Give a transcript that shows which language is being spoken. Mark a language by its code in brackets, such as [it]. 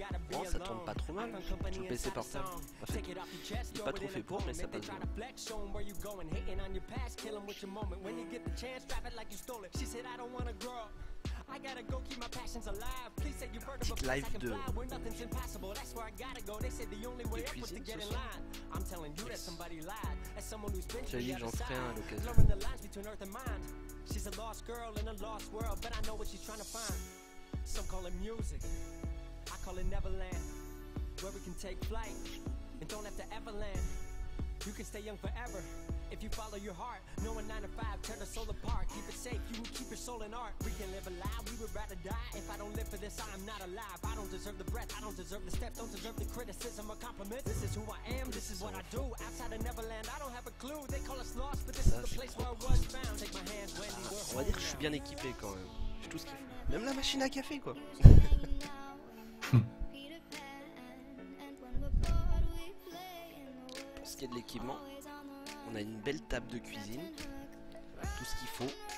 [fr] Bon, ça tombe pas trop mal, tout PC portable. En fait, il est pas trop fait pour, mais ça passe bien. [en] Black zone where you going, hitting on your past, kill him with your moment. When you get the chance, drop it like you stole it. She said I don't wanna grow. I gotta go keep my passions alive. Please say you've heard of a place I can fly where nothing's impossible. That's where I gotta go. They said the only way up was to get in line. I'm telling you that somebody lied. As someone who's been to the other side, blurring the lines between earth and mind. She's a lost girl in a lost world, but I know what she's trying to find. Some call it music, I call it Neverland, where we can take flight and don't have to ever land. You can stay young forever. If you follow your heart, knowing 9 to 5, tear the soul apart. Keep it safe, you will keep your soul in art. We can live alive, we would rather die. If I don't live for this, I am not alive. I don't deserve the breath, I don't deserve the step. Don't deserve the criticism or compliment. This is who I am, this is what I do. Outside of Neverland, I don't have a clue. They call us lost, but this is the place where I was found. Take my hands, Wendy, we're home. [fr] On va dire que je suis bien équipé quand même. J'ai tout ce qu'il faut. Même la machine à café, quoi. Pour ce qui est de l'équipement, on a une belle table de cuisine, tout ce qu'il faut.